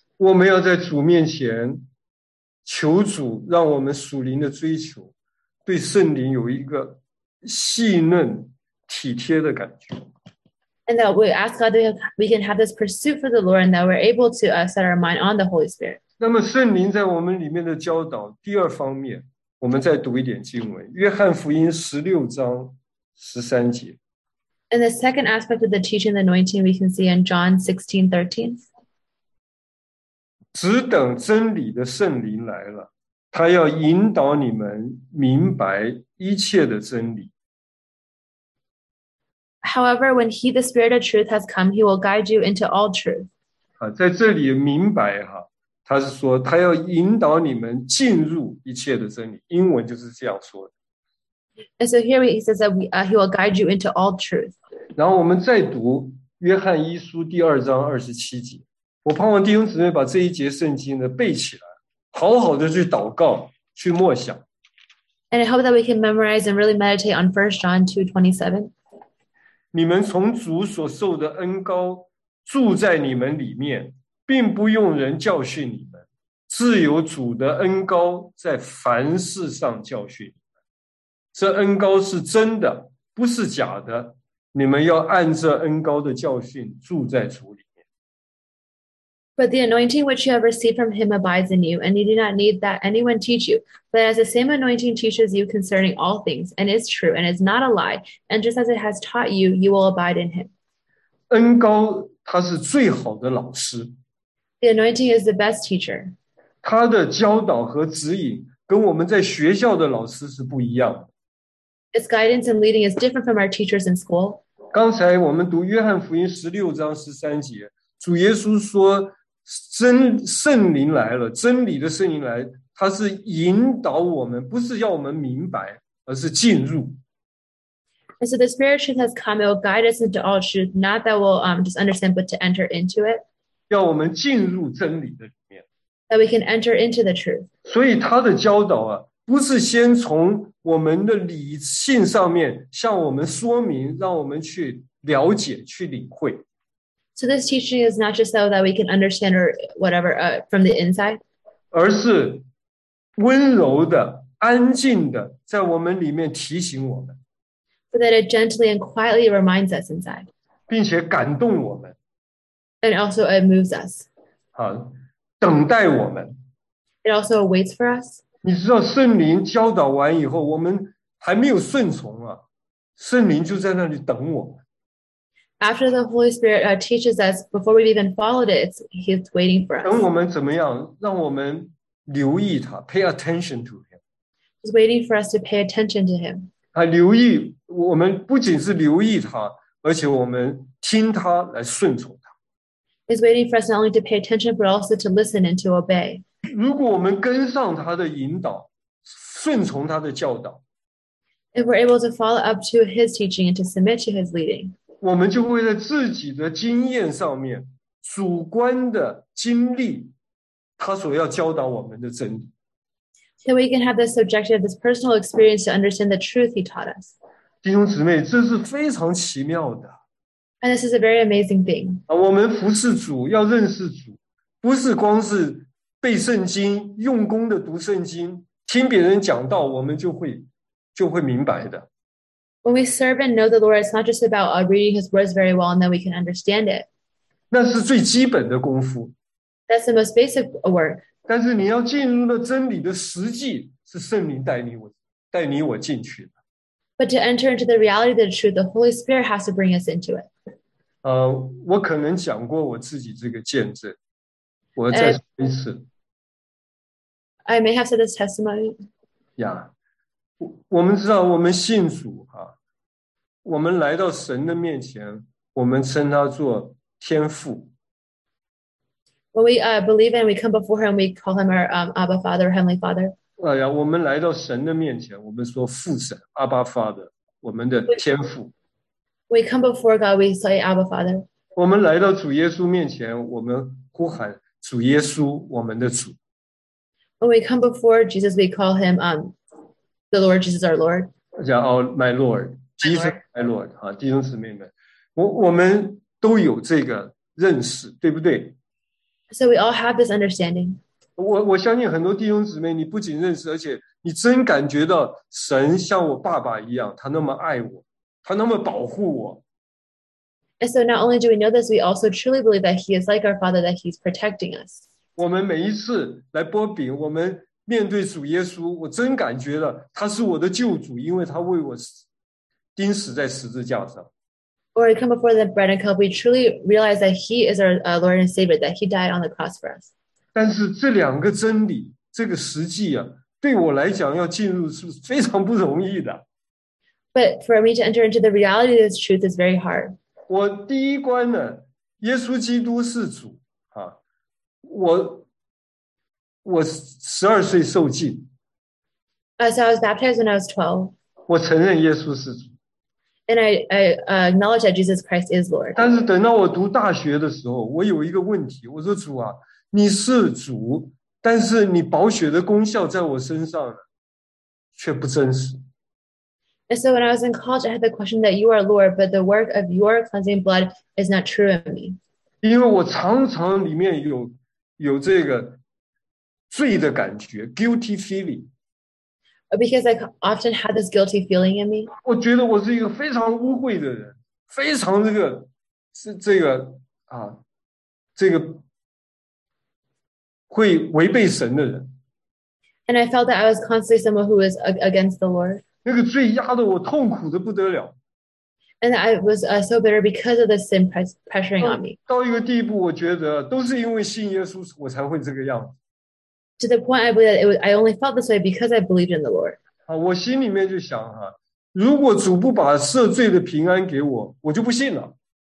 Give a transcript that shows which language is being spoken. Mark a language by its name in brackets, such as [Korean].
[Chinese] 我们要在主面前求主让我们属灵的追求对圣灵有一个细嫩体贴的感觉。 [English] And that we ask God that we can have this pursuit for the Lord and that we're able to set our mind on the Holy Spirit. [Chinese] 那么圣灵在我们里面的教导第二方面我们再读一点经文约翰福音十六章13节。 [English] And the second aspect of the teaching, the anointing, we can see in John 16:13. [Chinese] 只等真理的圣灵来了，他要引导你们明白一切的真理。 [English] However, when he, the Spirit of truth, has come, he will guide you into all truth. [Chinese] 在这里明白哈，他是说他要引导你们进入一切的真理，英文就是这样说的。 [English] And so here he says that he will guide you into all truth. [Chinese] 然后我们再读约翰一书第二章二十七节。我盼望弟兄姊妹把这一节圣经呢背起来，好好的去祷告，去默想。 [English] And I hope that we can memorize and really meditate on 1 John 2:27. [Chinese] 你们从主所受的恩膏住在你们里面，并不用人教训你们，自有主的恩膏在凡事上教训。这恩膏是真的，不是假的。你们要按这恩膏的教训住在主里面。 [English] But the anointing which you have received from him abides in you, and you do not need that anyone teach you. But as the same anointing teaches you concerning all things, and is true, and is not a lie, and just as it has taught you, you will abide in him. [Chinese] 恩膏它是最好的老师。 [English] The anointing is the best teacher. [Chinese] 它的教导和指引跟我们在学校的老师是不一样的。 [English] Its guidance and leading is different from our teachers in school. [Chinese] 刚才我们读约翰福音十六章十三节，主耶稣说圣灵来了，真理的圣灵来，他是引导我们，不是要我们明白，而是进入。 [English] And so the Spirit truth has come, it will guide us into all truth, not that we'll just understand, but to enter into it. [Chinese] 要我们进入真理的里面。 [English] That we can enter into the truth. [Chinese] 所以他的教导啊，不是先从我们的理性上面向我们说明，让我们去了解、去领会。 [English] So this teaching is not just so that we can understand or whatever from the inside, [Chinese] 而是温柔的、安静的在我们里面提醒我们。 [English] But that it gently and quietly reminds us inside, [Chinese] 并且感动我们。 [English] And also it moves us. [Chinese] 好，等待我们。 [English] It also waits for us. [Chinese] 你知道圣灵教导完以后我们还没有顺从啊，圣灵就在那里等我们。 [English] After the Holy Spirit teaches us, before we've even followed it, he's waiting for us. [Chinese] 等我们怎么样，让我们留意他， [English] pay attention to him. He's waiting for us to pay attention to him. [Chinese] 他留意，我们不仅是留意他，而且我们听他来顺从他。 [English] He's waiting for us not only to pay attention, but also to listen and to obey. [Chinese] 如果我们跟上他的引导，顺从他的教导， [English] if we're able to follow up to his teaching and to submit to his leading, [Chinese] 我们就会在自己的经验上面，主观的经历他所要教导我们的真理。 [English] So we can have this subjective, this personal experience to understand the truth he taught us. [Chinese] 弟兄姊妹，这是非常奇妙的。 [English] And this is a very amazing thing. [Chinese] 我们服侍主，要认识主，不是光是背圣经，用功的读圣经，听别人讲道，我们就会明白的。 [English] When we serve and know the Lord, it's not just about reading his words very well and then we can understand it. [Chinese] 那是最基本的功夫。 [English] That's the most basic work. [Chinese] 但是你要进入的真理的实际是圣灵带你我进去的。 [English] But to enter into the reality of the truth, the Holy Spirit has to bring us into it. [Chinese] 我可能讲过我自己这个见证。我再说一次。 [English] I may have said this testimony. Yeah. [Chinese] 我们知道我们信主啊，我们来到神的面前，我们称他做天父。 [English] When we believe and we come before him, we call him our Abba Father, Heavenly Father. [Chinese] 我们来到神的面前，我们说父神 , [English] Abba Father, [Chinese] 我们的天父。 [English] We come before God, we say Abba Father. [Chinese] 我们来到主耶稣面前，我们呼喊主耶稣，我们的主。 [English] When we come before Jesus, we call him the Lord Jesus, our Lord. Yeah, my Lord, Jesus, my Lord. [Chinese] 啊，弟兄姊妹们，我们都有这个认识，对不对？ [English] So we all have this understanding. [Chinese] 我相信很多弟兄姊妹，你不仅认识，而且你真感觉到神像我爸爸一样，他那么爱我，他那么保护我。 [English] And so not only do we know this, we also truly believe that he is like our father, that he's protecting us. [Chinese] 我们每一次来擘饼，我们面对主耶稣，我真感觉到他是我的救主，因为他为我钉死在十字架上。 [English] Or we come before the bread and cup, we truly realize that he is our Lord and Savior, that he died on the cross for us. [Chinese] 但是这两个真理，这个实际啊，对我来讲要进入是非常不容易的。 [English] But for me to enter into the reality of this truth is very hard. [Chinese] 我第一关呢，耶稣基督是主啊，我十二岁受浸。 [English] So I was baptized when I was 12. [Chinese] 我承认耶稣是主。 [English] And I acknowledge that Jesus Christ is Lord. [Chinese] 但是等到我读大学的时候，我有一个问题，我说主啊，你是主，但是你宝血的功效在我身上却不真实。 [English] And so when I was in college, I had the question that you are Lord, but the work of your cleansing blood is not true in me. [Chinese] 因为我常常里面有这个罪的感觉 , [English] guilty feeling。 Because I often had this guilty feeling in me. [Chinese] 我觉得我是一个非常污秽的人，非常这个是这个啊，这个会违背神的人。 [English] And I felt that I was constantly someone who was against the Lord. [Chinese] 那个罪压得我痛苦的不得了。 [English] And I was so bitter because of the sin pressuring on me. [Chinese] 到一个地步，我觉得都是因为信耶稣，我才会这个样子。 [English] To the point I believe that I only felt this way because I believed in the Lord. [Chinese] 我心里面就想哈，如果主不把赦罪的平安给我，我就不信了。